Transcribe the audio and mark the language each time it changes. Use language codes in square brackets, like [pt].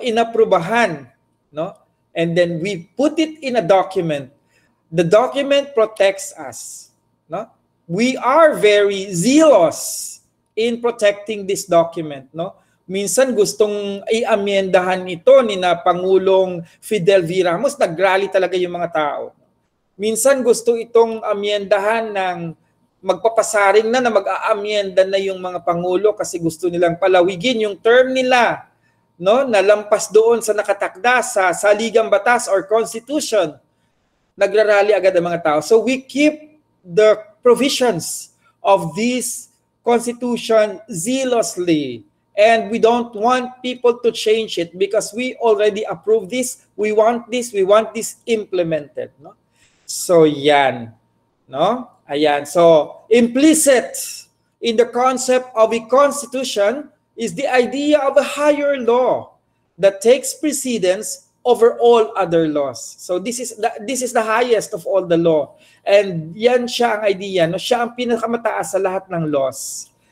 [tl] Inaprubahan, no? [en] And then we put it in a document. The document protects us, no? We are very zealous in protecting this document, no? [tl] Minsan gustong i-amendahan ito ni na Pangulong Fidel V. Ramos, nag-rally talaga yung mga tao. Minsan gusto itong amendahan ng magpapasaring na mag-aamyenda na yung mga pangulo kasi gusto nilang palawigin yung term nila, no? Nalampas doon sa nakatakda sa Saligang Batas or Constitution. Nagrarally agad ang mga tao. [en] So we keep the provisions of this constitution zealously. And we don't want people to change it because we already approved this. We want this. We want this implemented. No? [tl] So yan. [en] No? Ayan. So implicit in the concept of a constitution is the idea of a higher law that takes precedence over all other laws. So this is the highest of all the law. [tl] And yan siya ang idea. No? Siya ang pinakamataas sa lahat ng laws.